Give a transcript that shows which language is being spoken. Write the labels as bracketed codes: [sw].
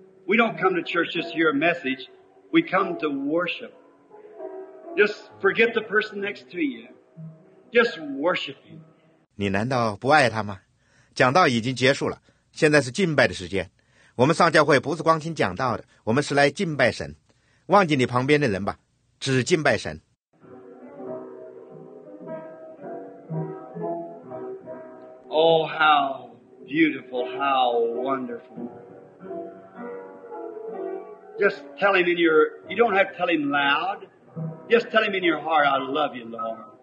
[en] We don't come to church just to hear a message. We come to worship. Just forget the person next to you. Just worship him. [zh] 你难道不爱他吗？讲道已经结束了，现在是敬拜的时间。我们上教会不是光听讲道的，我们是来敬拜神。忘记你旁边的人吧，只敬拜神。 [en] Oh, how beautiful, how wonderful. Just tell him in your, you don't have to tell him loud. Just tell him in your heart, I love you, Lord.